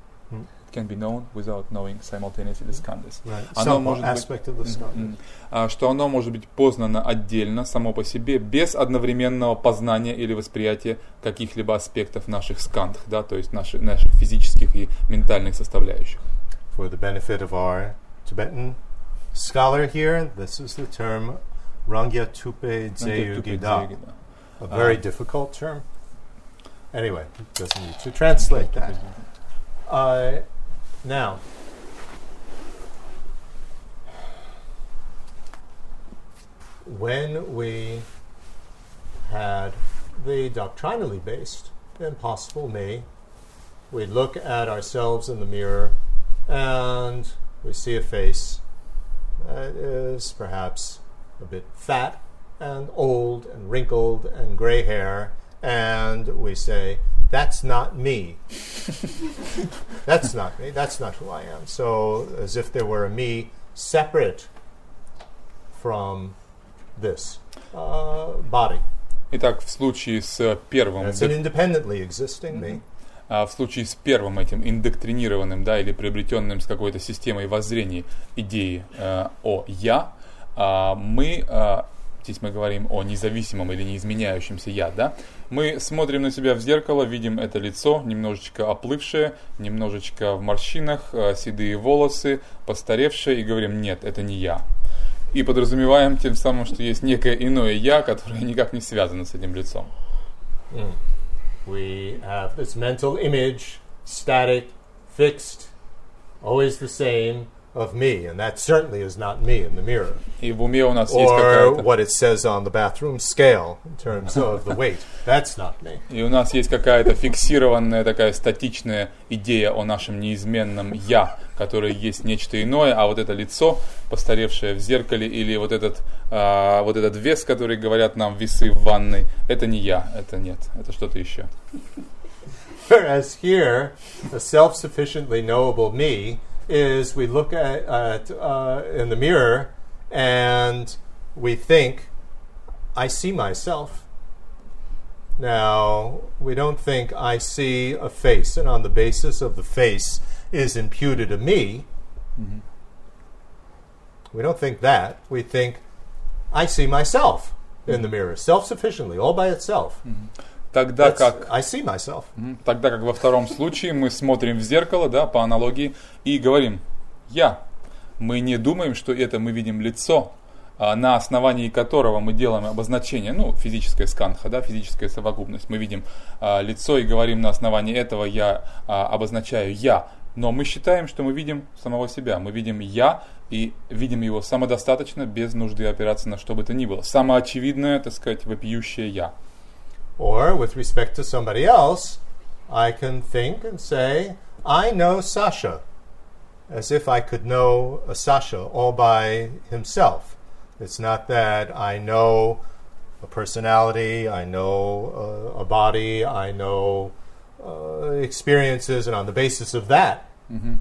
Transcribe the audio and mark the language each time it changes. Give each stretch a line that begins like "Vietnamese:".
English: It can be known without knowing simultaneously skandhas. Right. Some aspect of the skandhas.
Russian: Что оно может быть познано отдельно, само по себе, без одновременного познания или восприятия каких-либо аспектов наших скандх, да, то есть наших физических и ментальных составляющих.
English: For the benefit of our Tibetan scholar here, this is the term Rangya Tupe Dzeyu Gida. A very difficult term. Anyway, it doesn't need to translate that. Now, when we had the doctrinally based impossible me, we look at ourselves in the mirror and we see a face that is perhaps a bit fat and old and wrinkled and gray hair, and we say, that's not me. That's not me. That's not who I am. So, as if there were a me separate from this body.
Russian: Итак, в случае с первым...
English: It's an independently existing me.
Russian: В случае с первым этим индоктринированным, да, или приобретенным с какой-то системой воззрения идеи о «я», мы здесь мы говорим о независимом или неизменяющемся «я», да? Мы смотрим на себя в зеркало, видим это лицо, немножечко оплывшее, немножечко в морщинах, седые волосы, постаревшее, и говорим: «Нет, это не я». И подразумеваем тем самым, что есть некое иное «я», которое никак не связано с этим лицом.
English: We have this mental image, static, fixed, always the same of me, and that certainly is not me in the mirror.
Russian: И в уме у нас есть какая-то...
English: Or what it says on the bathroom scale in terms of the weight. That's not me.
Russian: И у нас есть какая-то фиксированная, такая статичная идея о нашем неизменном «я», которое есть нечто иное, а вот это лицо, постаревшее в зеркале, или вот этот, вот этот вес, который говорят нам весы в ванной, это не я, это нет, это что-то еще.
English: Whereas here, a self-sufficiently knowable me is we look at in the mirror and we think, I see myself. Now, we don't think I see a face, and on the basis of the face is imputed to me. Mm-hmm. We don't think that. We think, I see myself mm-hmm. in the mirror, self-sufficiently, all by itself.
Russian: Mm-hmm. Тогда как,
English: I see myself.
Russian: Тогда как во втором случае мы смотрим в зеркало, да, по аналогии, и говорим «я». Мы не думаем, что это мы видим лицо, на основании которого мы делаем обозначение, ну, физическое сканха, да, физическая совокупность. Мы видим лицо и говорим: на основании этого я обозначаю «я». Но мы считаем, что мы видим самого себя. Мы видим «я» и видим его самодостаточно, без нужды опираться на что бы то ни было. Самоочевидное, так сказать, вопиющее «я».
English: Or, with respect to somebody else, I can think and say, I know Sasha, as if I could know a Sasha all by himself. It's not that I know a personality, I know a body, I know experiences, and on the basis of that, mm-hmm.